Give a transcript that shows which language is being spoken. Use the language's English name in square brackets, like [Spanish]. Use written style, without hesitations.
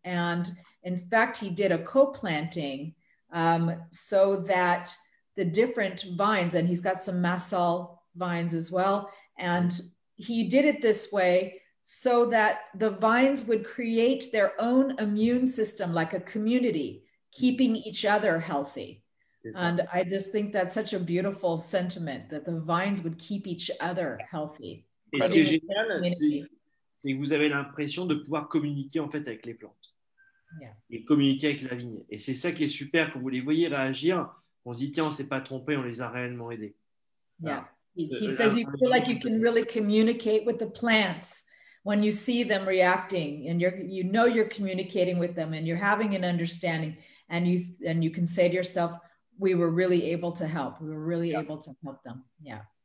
[English] And in fact, he did a co-planting so that the different vines, and he's got some Massal vines as well, and he did it this way so that the vines would create their own immune system, like a community, keeping each other healthy. Exactly. And I just think that's such a beautiful sentiment, that the vines would keep each other healthy. [French] Et ce qui est génial, c'est que vous avez l'impression de pouvoir communiquer en fait avec les plantes. [English] Yeah. [French] Et communiquer avec la vigne. Et c'est ça qui est super, quand vous les voyez réagir, on se dit, tiens, on ne s'est pas trompé, on les a réellement aidés. Voilà. [English] Yeah. He says you feel like you can really communicate with the plants when you see them reacting, and you're communicating with them, and you're having an understanding, and you can say to yourself, we were really able to help. We were really able to help them. Yeah.